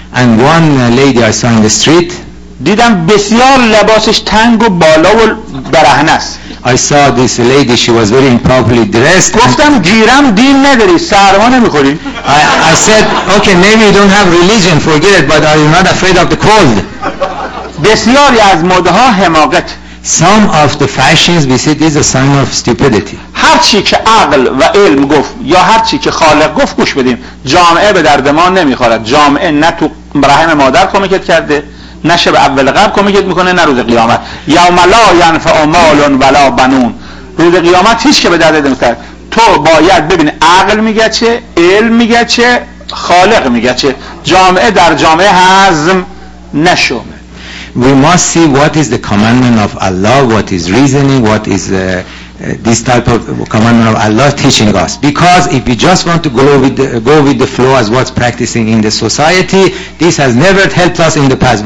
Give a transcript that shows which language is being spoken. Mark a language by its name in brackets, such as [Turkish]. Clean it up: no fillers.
[English] And one lady I saw in the street. [Persian] دیدم بسیار لباسش تنگ و بالا و برهنه است. [English] I saw this lady, she was very improperly dressed. [Persian] گفتم گیرم دین نداری سرما نمیخوری. [English] I said, okay, maybe you don't have religion, forget it, but are you not afraid of the cold? [Persian] بسیاری از مدها حماقت. [English] Some of the fashions we said is a sign of stupidity. [Persian] هر چی که عقل و علم گفت یا هر چی که خالق گفت گوش بدیم. جامعه به درد ما نمیخورد. جامعه نه تو رحم مادر کمکت کرده نه شب اول قبل کمکت میکنه نه روز قیامت. [Arabic] یوم لا ینفع مال ولا بنون. [Persian] روز قیامت هیچ که به درد نمیخورد. تو باید ببینی عقل میگه چه، علم میگه چه، خالق میگه چه. جامعه در جامعه هضم نشو. [English] We must see what is the commandment of Allah, what is reasoning, what is this type of commandment of Allah teaching us. Because if we just want to go with the flow as what's practicing in the society, this has never helped us in the past.